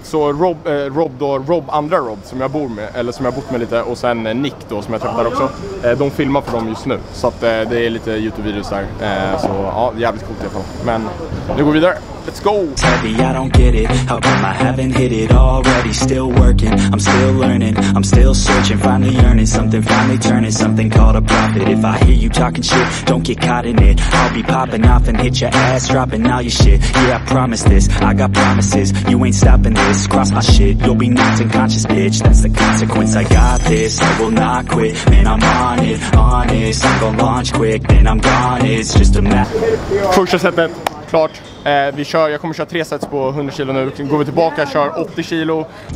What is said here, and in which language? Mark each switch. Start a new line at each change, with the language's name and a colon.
Swedish: Så Rob andra Rob som jag bor med, eller som jag bott med lite, och sen Nick då som jag träffar också. De filmar för dem just nu. Så att det är lite YouTube-videos där. Så ja, jävligt coolt i alla fall. Men nu går vi vidare.
English: Let's go. Teddy, I don't get it. How come I haven't hit it already? Still working, I'm still learning, I'm still searching, finally yearning, something finally turning, something called a profit. If I hear you talking shit, don't get caught in it. I'll be popping off and hit your ass, dropping all your shit. Yeah, I promise this, I got promises, you ain't stopping this. Cross my shit, you'll be knocked unconscious, bitch. That's the consequence. I got this, I will not quit. Man, I'm on it, honest. I'm gonna launch quick, then I'm gone. It's just a matter. Push us up.
Swedish: Klart, vi kör, jag kommer köra 3 sets på 100 kilo nu. Går vi tillbaka, kör 80 kilo.